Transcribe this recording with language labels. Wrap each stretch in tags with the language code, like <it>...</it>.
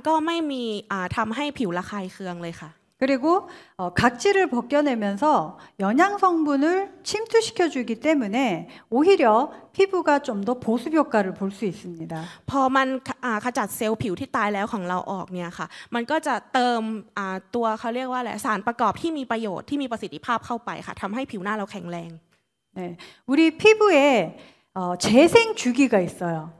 <th>ผลิตภัณฑ์ตัวนี้นะคะใช้ทุกวันก็ไม่มีทำให้ผิวระคายเคืองเลยค่ะ.</th> <ko>그리고 각질을 벗겨내면서 영양 성분을 침투시켜 주기 때문에 오히려 피부가 좀 더 보습 효과를 볼 수 있습니다.</ko> <th>พอมันขจัดเซลล์ผิวที่ตายแล้วของเราออกเนี่ยค่ะมันก็จะเติมตัวเขาเรียกว่าอะไรสารประกอบที่มีประโยชน์ที่มีประสิทธิภาพเข้าไปค่ะทำให้ผิวหน้าเราแข็งแรง.</th> <ko>네, 우리 피부에 재생 주기가 있어요.</ko>